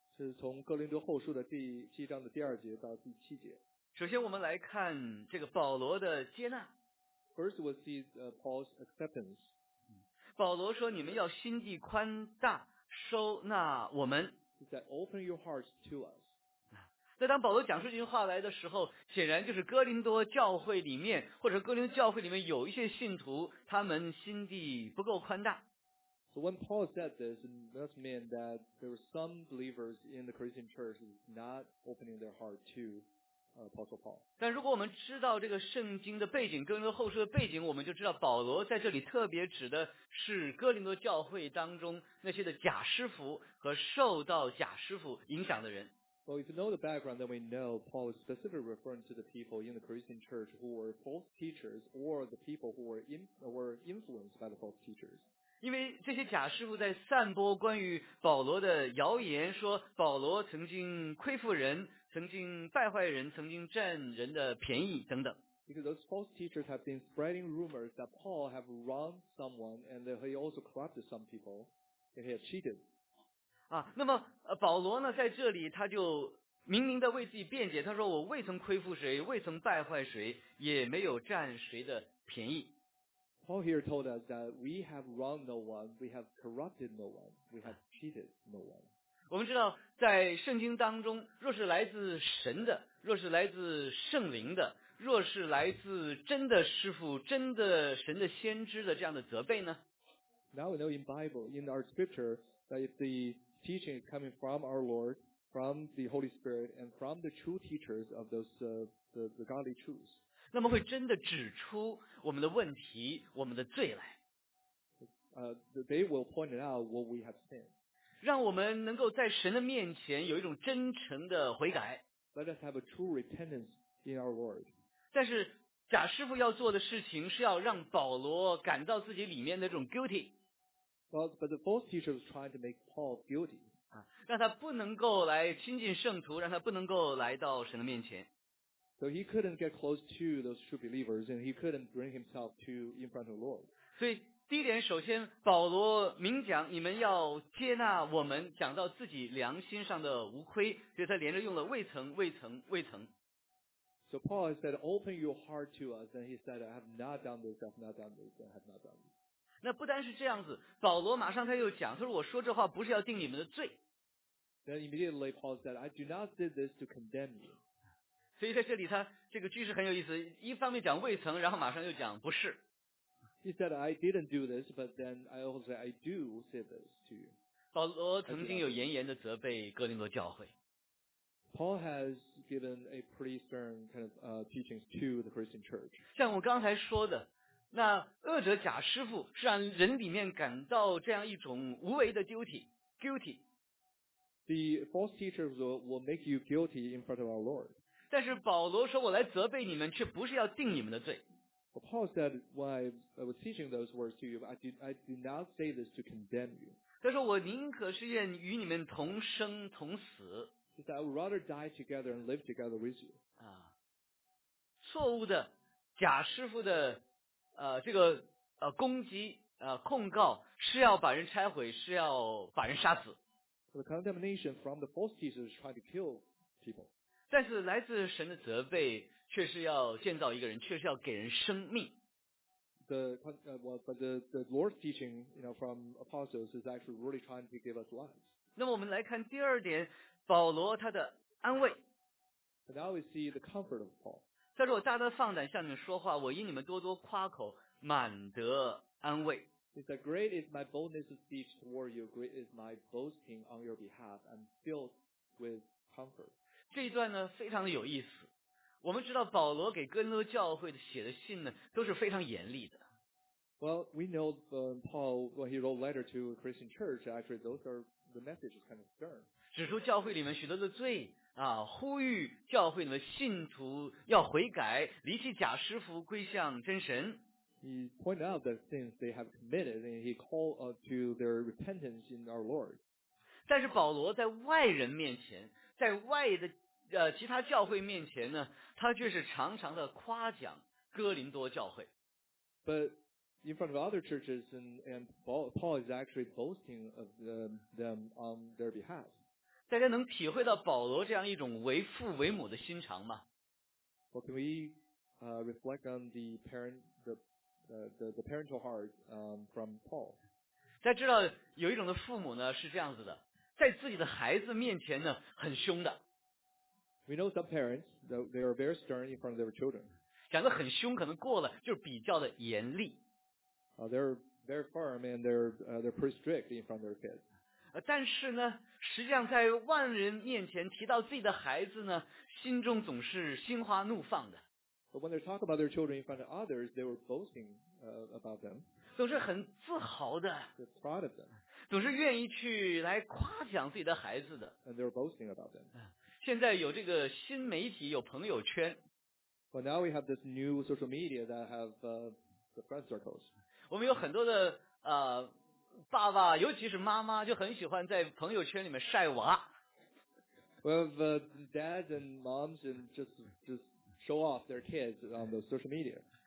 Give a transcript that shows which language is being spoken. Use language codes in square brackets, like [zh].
[zh] 是从哥林多后书的第七章的第二节到第七节。首先我们来看这个保罗的接纳。 [en] First, we'll see Paul's acceptance. [zh] 保罗说你们要心地宽大，收纳我们。 [en] He said, open your hearts to us. [zh] 在当保罗讲这句话来的时候，显然就是哥林多教会里面，或者哥林多教会里面有一些信徒，他们心地不够宽大。 [en] So when Paul said this, it must mean that there were some believers in the Corinthian church not opening their heart to Apostle Paul. [zh] 但如果我们知道这个圣经的背景，哥林多后书的背景，我们就知道保罗在这里特别指的是哥林多教会当中那些的假师傅和受到假师傅影响的人。 [en] Well, if you know the background, then we know Paul is specifically referring to the people in the Corinthian church who were false teachers or the people who were influenced by the false teachers. [zh] 因为这些假师傅在散播关于保罗的谣言，说保罗曾经亏负人，曾经败坏人，曾经占人的便宜等等。 [en] Because those false teachers have been spreading rumors that Paul have wronged someone and that he also corrupted some people and he had cheated. [zh] 啊，那么保罗呢，在这里他就明明的为自己辩解，他说我未曾亏负谁，未曾败坏谁，也没有占谁的便宜。 [en] Paul here told us that we have wronged no one, we have corrupted no one, we have cheated no one. [zh] 我们知道，在圣经当中，若是来自神的，若是来自圣灵的，若是来自真的师父、真的神的先知的这样的责备呢 [en] ？Now we know in Bible, in our scripture, that if theteaching is coming from our Lord, from the Holy Spirit, and from the true teachers of those the godly truths. [zh] 那么会真的指出我们的问题，我们的罪来。 [en] They will point it out what we have sinned. [zh] 让我们能够在神的面前有一种真诚的悔改。 [en] Let us have a true repentance in our Lord. [zh] 但是假师父要做的事情是要让保罗感到自己里面的那种 guilty。 [en] But the false teacher was trying to make Paul guilty. [zh] 让他不能够来亲近圣徒，让他不能够来到神的面前。 [en] So he couldn't get close to those true believers, and he couldn't bring himself to in front of the Lord. [zh] 所以第一点，首先保罗明讲，你们要接纳我们，讲到自己良心上的无亏，所以他连着用了未曾、未曾、未曾。 [en] So Paul said, "Open your heart to us," and he said, "I have not done this, I have not done this, I have not done this." [zh] 那不单是这样子，保罗马上他又讲，他说我说这话不是要定你们的罪。 [en] Then immediately Paul said, I do not say this to condemn you. [zh] 所以在这里他这个句式很有意思，一方面讲未曾，然后马上又讲不是。 [en] He said, I didn't do this, but then I also say, I do say this to you. [zh] 保罗曾经有严严的责备哥林多教会。 [en] Paul has given a pretty stern kind of teachings to the Christian church. [zh] 像我刚才说的，那恶者假师父是让人里面感到这样一种无为的 guilty。 [en] The false teachers will make you guilty in front of our Lord. [zh] 但是保罗说我来责备你们，却不是要定你们的罪。 [en] But Paul said, while I was teaching those words to you, I did not say this to condemn you. [zh] 他说我宁可是愿与你们同生同死。 [en] He said, I would rather die together and live together with you. [zh] 啊，错误的假师父的这个攻击控告是要把人拆毁，是要把人杀死。 [en] The condemnation from the false teachers is trying to kill people. [zh] 但是来自神的责备却是要建造一个人，却是要给人生命。 [en] The Lord's teaching, you know, from apostles is actually really trying to give us life. [zh] 那么我们来看第二点，保罗他的安慰。 [en] And now we see the comfort of Paul. [zh] 他说我大大放胆向你们说话，我因你们多多夸口，满得安慰。 [en] He said, great is my boldness of speech toward you, great is my boasting on your behalf, I'm filled with comfort. [zh] 这一段呢非常的有意思。我们知道保罗给哥林多教会写的信呢都是非常严厉的。 [en] Well, we know Paul, when he wrote a letter to a Christian church, actually those are the messages kind of stern. [zh] 指出教会里面许多的罪啊，呼吁教会里面信徒要悔改，离弃假师傅，归向真神。 [en] He pointed out the sins they have committed and he called to their repentance in our Lord. [zh] 但是保罗在外人面前，在外的其他教会面前呢，他却是常常的夸奖哥林多教会。 [en] But in front of other churches, and Paul is actually boasting of them on their behalf. [zh] 大家能体会到保罗这样一种为父为母的心肠吗？ [en] Well, can we reflect on the parental heart from Paul? [zh] 大家知道有一种的父母呢是这样子的，在自己的孩子面前呢很凶的。 [en] We know some parents, they are very stern in front of their children. [zh] 讲得很凶可能过了，就是比较的严厉。 [en] They're very firm and they're pretty strict in front of their kids. [zh] 但是呢，实际上在万人面前提到自己的孩子呢，心中总是心花怒放的。 [en] But when they talk about their children in front of others, they were boasting about them. [zh] 总是很自豪的。 [en] They're proud of them. [zh] 总是愿意去来夸奖自己的孩子的。 [en] And they're boasting about them. [zh] 现在有这个新媒体，有朋友圈。 [en] Well, now we have this new social media that have the friend circles. [zh] 我们有很多的爸爸，尤其是妈妈，就很喜欢在朋友圈里面晒娃。 [en] We have dads and moms and just show off their kids on the social media.